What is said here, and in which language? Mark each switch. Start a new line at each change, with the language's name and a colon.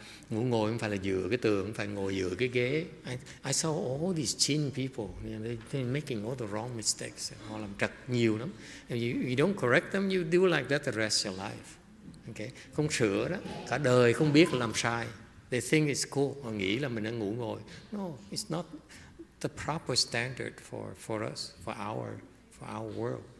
Vietnamese: Ngủ ngồi không phải là dựa cái tường, không phải ngồi dựa cái ghế.
English: I saw all these chin people, you know, they're making all the wrong mistakes.
Vietnamese: Họ làm trật nhiều lắm.
English: If you don't correct them, you do like that the rest of your life. Okay?
Vietnamese: Không sửa đó, cả đời không biết làm sai.
English: They think it's cool.
Vietnamese: Họ nghĩ là mình đang ngủ ngồi.
English: No, it's not the proper standard for us, for our world.